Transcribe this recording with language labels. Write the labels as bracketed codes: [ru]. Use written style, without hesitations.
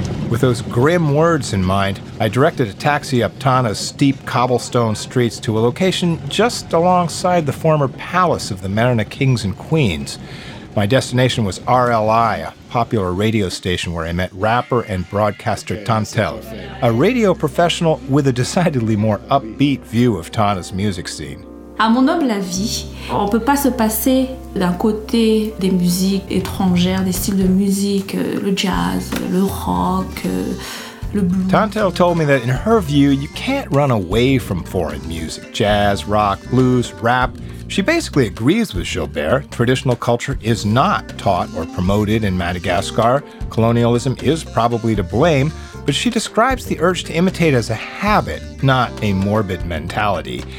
[en] With those grim words in mind, I directed a taxi up Tana's steep cobblestone streets to a location just alongside the former palace of the Merina kings and queens. My destination was RLI, a popular radio station where I met rapper and broadcaster Tantel, a radio professional with a decidedly more upbeat view of Tana's music scene. [fr] À mon humble avis, on peut pas se passer d'un côté des musiques étrangères, des styles de musique, le jazz, le rock, le blues. [en] Tantel told me that in her view, you can't run away from foreign music, jazz, rock, blues, rap. She basically agrees with Gilbert. Traditional culture is not taught or promoted in Madagascar. Colonialism is probably to blame, but she describes the urge to imitate as a habit, not a morbid mentality.